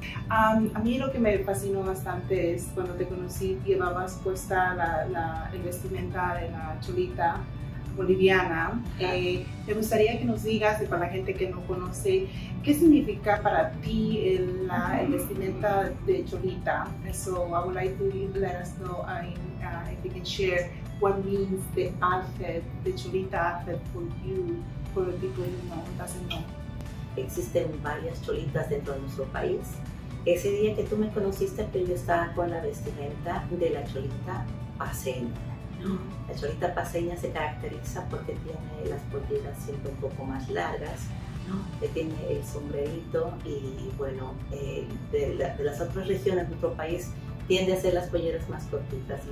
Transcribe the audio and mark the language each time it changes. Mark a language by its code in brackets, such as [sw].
[es] A mí lo que me fascinó bastante es cuando te conocí, llevabas puesta el vestimenta de la cholita boliviana. Okay. Me gustaría que nos digas, y para la gente que no conoce, ¿qué significa para ti el vestimenta de cholita? [en] So I would like to let us know if you can share what means the outfit, the cholita outfit for you, for the people who know, doesn't know. [es] Existen varias cholitas dentro de nuestro país. Ese día que tú me conociste, que yo estaba con la vestimenta de la cholita paseña. La cholita paseña se caracteriza porque tiene las polleras siempre un poco más largas, tiene el sombrerito y bueno, de las otras regiones de nuestro país tiende a ser las polleras más cortitas.